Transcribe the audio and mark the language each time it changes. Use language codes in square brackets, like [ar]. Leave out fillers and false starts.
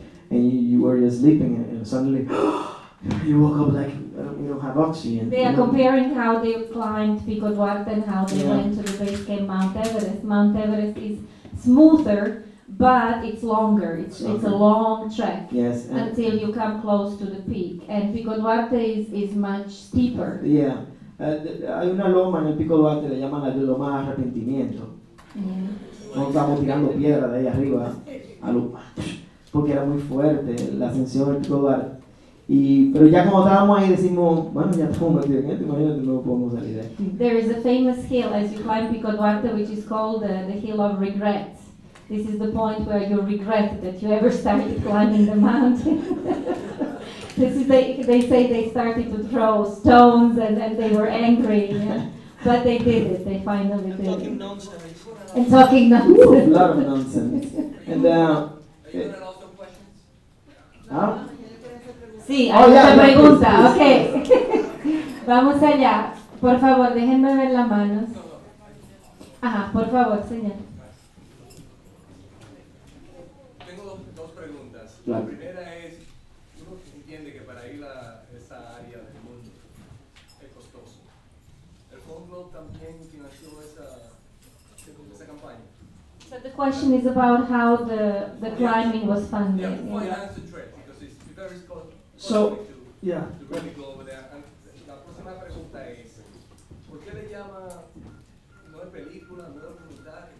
[en] And you were just sleeping, and suddenly you woke up like you don't have oxygen. Comparing how they climbed Pico Duarte and how they went to the base camp Mount Everest. Mount Everest is smoother, but it's longer. It's a long trek until you come close to the peak. And Pico Duarte is much steeper. Yeah. [es] Hay una loma en el Pico Duarte, le llaman la loma de arrepentimiento. Yeah. No estamos tirando piedra de ahí arriba a loma. Porque era muy fuerte la ascensión del Pico Duarte. Pero ya como estábamos ahí decimos, bueno, ya estamos metidos en esto, imagínate, no podemos salir de ahí. [en] There is a famous hill as you climb Pico Duarte, which is called the Hill of Regrets. This is the point where you regret that you ever started climbing the mountain. This is they say they started to throw stones and then they were angry, but they did it. They finally did it. And talking nonsense. And talking nonsense. A lot of nonsense. And [es] sí, hay otra pregunta. Okay. Vamos allá. Por favor, déjenme ver las manos. Ajá, por favor, señor. Tengo dos preguntas. Claro. La primera es, uno entiende que para ir a esa área del mundo es costoso. ¿El fondo también financió esa campaña? [en] But the question is about how the climbing was funded. Yeah, why the trip? Because it's very costly to really go over there. [es] And la próxima pregunta es, ¿por qué le llama, no es película, no es documental?